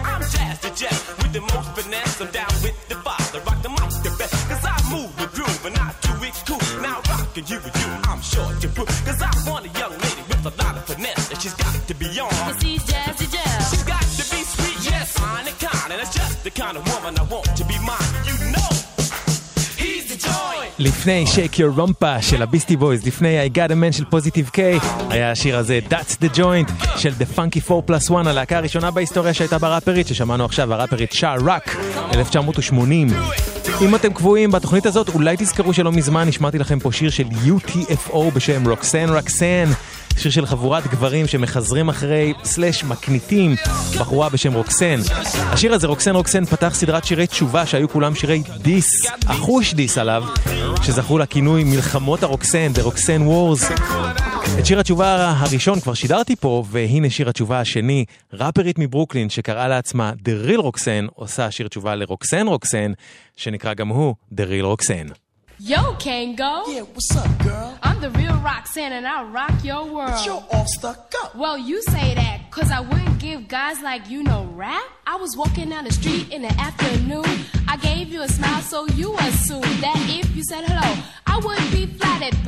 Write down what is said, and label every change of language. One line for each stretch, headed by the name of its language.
English: I'm jazz to jazz with the most finesse. I'm down with the father, rock the mic the best, cause I move with groove and I do it cool. Now rockin' you with you, I'm sure to prove, cause I want a young lady with a lot of finesse, and she's got to be on, cause she's jazz to jazz. She's got to be sweet, yes, fine and kind, and it's just the kind of woman I want to be mine. You know he's the joint.
Hebrew: לפני Shake Your Rumpa של הביסטי בויז, לפני I Got a Man של פוזיטיב קיי, היה השיר הזה That's the Joint של The Funky 4 Plus 1, הלהקה הראשונה בהיסטוריה שהייתה בראפרית, ששמענו עכשיו, הראפרית שער רק, 1980. אם אתם קבועים בתוכנית הזאת, אולי תזכרו שלא מזמן נשמעתי לכם פה שיר של UTFO בשם רוקסן רוקסן, שיר של חבורת גברים שמחזרים אחרי סלש מקניטים בחורה בשם רוקסן. השיר הזה רוקסן רוקסן פתח סדרת שירי תשובה שהיו כולם שירי דיס, אחוש דיס עליו, שזכו לכינוי מלחמות הרוקסן, The Roxanne Wars. את שיר התשובה הראשון כבר שידרתי פה, והנה שיר התשובה השני, ראפרית מברוקלין שקראה לעצמה The Real Roxanne, עושה שיר תשובה לרוקסן רוקסן שנקרא גם הוא The Real Roxanne.
English: Yo, Kango. Yeah, what's up, girl? I'm the real Roxanne and I'll rock your world. But you're all stuck up. Well, you say that cause I wouldn't give guys like you no rap. I was walking down the street in the afternoon. I gave you a smile so you assumed that if you said hello, I wouldn't be flattered.